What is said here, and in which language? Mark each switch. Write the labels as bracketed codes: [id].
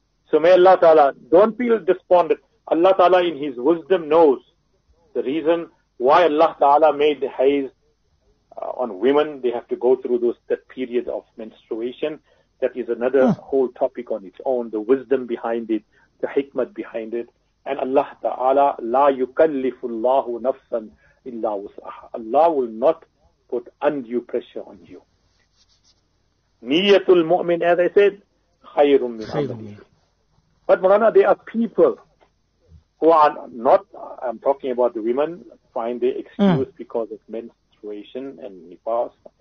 [en] So may Allah Ta'ala, don't feel despondent. Allah Ta'ala in His wisdom knows the reason why Allah Ta'ala made the haiz on women. They have to go through those, that period of menstruation. That is another whole topic on its own, the wisdom behind it, the hikmat behind it. [ar] And Allah Ta'ala, لا يكلف الله نفسا إلا وسعها. [en] Allah will not put undue pressure on you. Niyatul mu'min, as I said, khayrun min amalihi. But Marana, there are people who are not, I'm talking about the women, find their excuse because of menstruation and nifas.